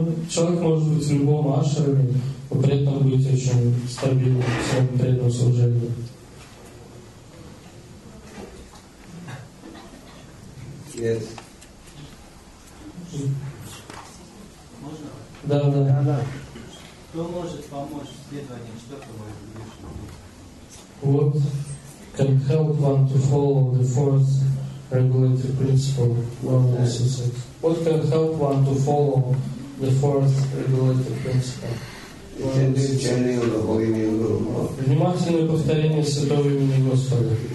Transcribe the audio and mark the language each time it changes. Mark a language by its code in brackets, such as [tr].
[ru] Человек может быть в любом ашраме, но при этом быть очень стабильным в своем преданном служении. [en] Yes. [ru] Можно? Да, да. Кто может помочь следованию четвертому вишну? [en] What can help one to follow the fourth regulative principle of the society? What can help one to follow the fourth regulative principle? [ru] Внимательное повторение святого имени Господа.